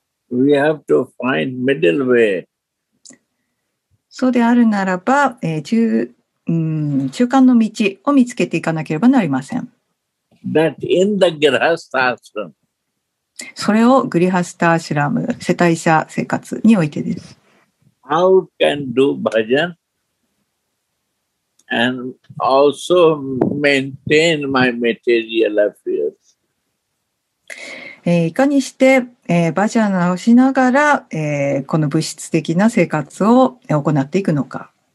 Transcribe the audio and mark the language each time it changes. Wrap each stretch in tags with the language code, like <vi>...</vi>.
<en>We have to find middle way.</en> <ja>そうであるならば、中間の道を見つけていかなければなりません。</ja> <en>That in the grihastha ashram.</en> <ja>それをグリハスタアシュラム、世帯者生活においてです。</ja> <en>How can do bhajan and also maintain my material affairs?</en> <ja>いかにして、バジャナをしながら、この物質的な生活を行っていくのか。</ja>